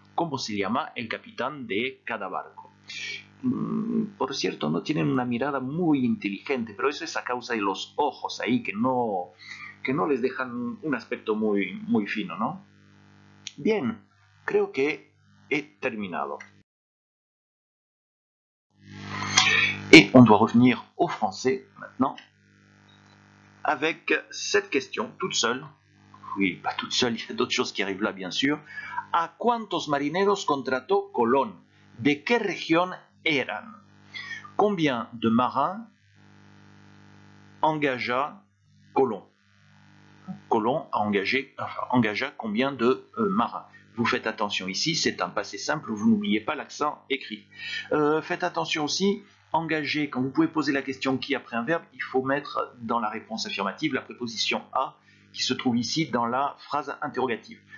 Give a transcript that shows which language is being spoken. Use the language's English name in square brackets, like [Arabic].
[Spanish] ¿Cómo se llama el capitán de cada barco? Por cierto, no tienen una mirada muy inteligente, pero eso es a causa de los ojos ahí que no les dejan un aspecto muy, muy fino, ¿no? Bien, creo que he terminado. [French] Et on doit revenir au français maintenant avec cette question, toute seule. Oui, pas toute seule, il y a d'autres choses qui arrivent là, bien sûr. [Spanish] ¿A cuántos marineros contrató Colón? ¿De qué región eran? [French] ¿Combien de marins engagea Colón? Colón a engagé, engagea combien de marins? Vous faites attention ici, c'est un passé simple, vous n'oubliez pas l'accent écrit. Faites attention aussi, engagé, quand vous pouvez poser la question qui après un verbe, il faut mettre dans la réponse affirmative la préposition a qui se trouve ici dans la phrase interrogative.